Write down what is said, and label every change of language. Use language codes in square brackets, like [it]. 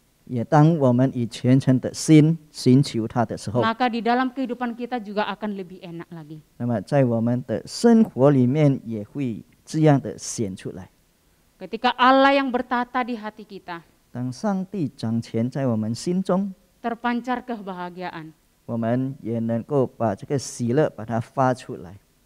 [zh] 也当我们以虔诚的心寻求他的时候, [id] maka di dalam kehidupan kita juga akan lebih enak lagi. [zh] 那么在我们的生活里面也会这样的显出来. [id] Ketika Allah yang bertata di hati kita, [zh] 当上帝掌权在我们心中, [id] terpancar kebahagiaan, [zh] 我们也能够把这个喜乐把它发出来.